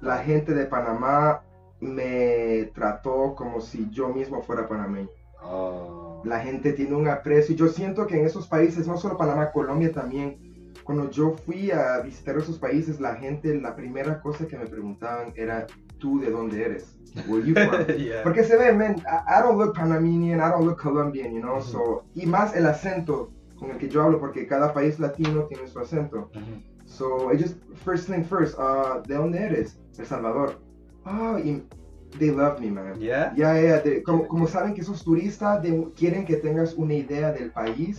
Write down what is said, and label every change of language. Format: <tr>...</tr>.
<es>La gente de Panamá me trató como si yo mismo fuera panameño. Oh. La gente tiene un aprecio. Yo siento que en esos países, no solo Panamá, Colombia también, cuando yo fui a visitar esos países, la gente, la primera cosa que me preguntaban era, ¿tú de dónde eres?</es> <en>Where you from?</en> <es>Porque se ve,</es> <en>man, I don't look Panamanian, I don't look Colombian, you know? Mm-hmm.</en> <es>So, y más el acento con el que yo hablo, porque cada país latino tiene su acento. Mm-hmm.</es> <en>So, I just, first thing first,</en> <es>¿de dónde eres?</es> <en>El Salvador.</en> <es>Oh, y</es> <en>they love me, man. Yeah? Yeah.</en> <es>Como saben que sos turista, quieren que tengas una idea del país.</es>